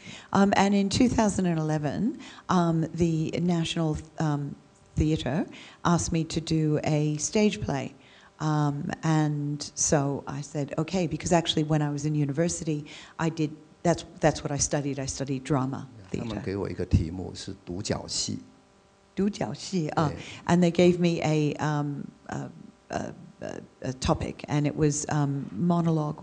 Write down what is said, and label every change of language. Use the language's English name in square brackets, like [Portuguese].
[English] And in 2011, the National Theatre asked me to do a stage play. And so I said, okay, because actually when I was in university, I did, that's what I studied. I studied drama theatre. [Chinese] 他们给我一个题目是独角戏。 [English] 独角戏, and they gave me a topic, and it was monologue.